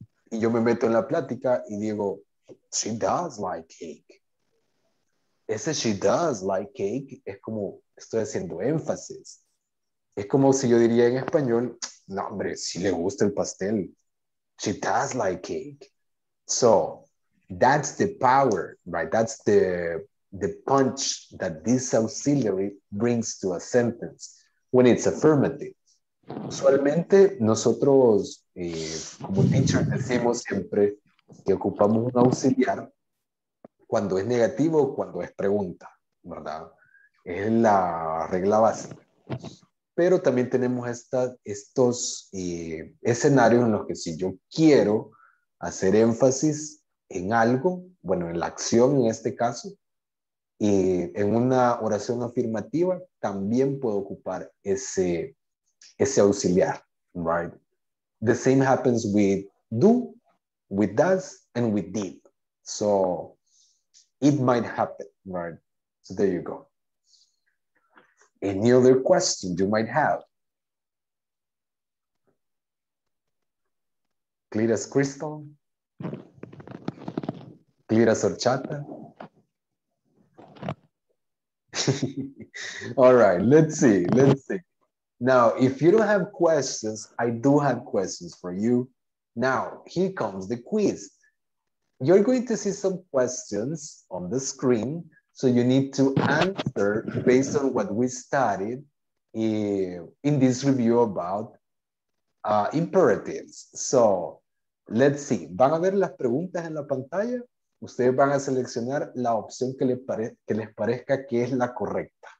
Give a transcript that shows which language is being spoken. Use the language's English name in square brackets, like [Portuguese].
[Spanish] Y yo me meto en la plática y digo, [English] she does like cake. [Spanish] Ese [English] she does like cake [Spanish] es como, estoy haciendo énfasis. Es como si yo diría en español, no hombre, sí le gusta el pastel. [English] She does like cake. So, that's the power, right? That's the punch that this auxiliary brings to a sentence when it's affirmative. [Spanish] Usualmente, nosotros, como teacher, decimos siempre que ocupamos un auxiliar cuando es negativo o cuando es pregunta, ¿verdad? Es la regla básica. Pero también tenemos estos escenarios en los que si yo quiero hacer énfasis en algo, bueno, en la acción en este caso, y en una oración afirmativa, también puedo ocupar ese auxiliar, right? [English] The same happens with do, with does, and with did. So, it might happen, right? So, there you go. Any other question you might have? Clear as crystal? Clear as horchata? All right, let's see. Now, if you don't have questions, I do have questions for you. Now, here comes the quiz. You're going to see some questions on the screen. So you need to answer based on what we studied in this review about imperatives. So let's see. [Spanish] Van a ver las preguntas en la pantalla. Ustedes van a seleccionar la opción que les parezca que es la correcta.